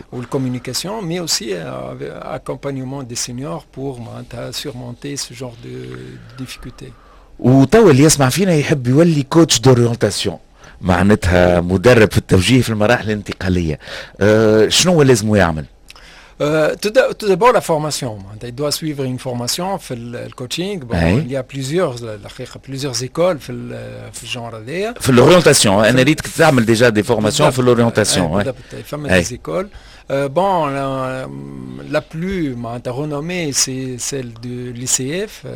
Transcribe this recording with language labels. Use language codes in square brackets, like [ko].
[fr] Ou la communication, mais aussi l'accompagnement des seniors pour surmonter ce genre de difficultés. Ou toi, qui écoute, tu veux devenir coach d'orientation. [ar] معناتها مدرب في التوجيه في المراحل الانتقاليه. شنو هو لازم يعمل؟ [fr] Tout d'abord la formation. Il doit suivre une formation, faire le coaching. Bon, il y a plusieurs écoles, faire le genre là. Faire l'orientation. Un élite qui fait déjà des formations, faire l'orientation. Faire des écoles. Bon, la plus renommée, c'est celle de l'ICF.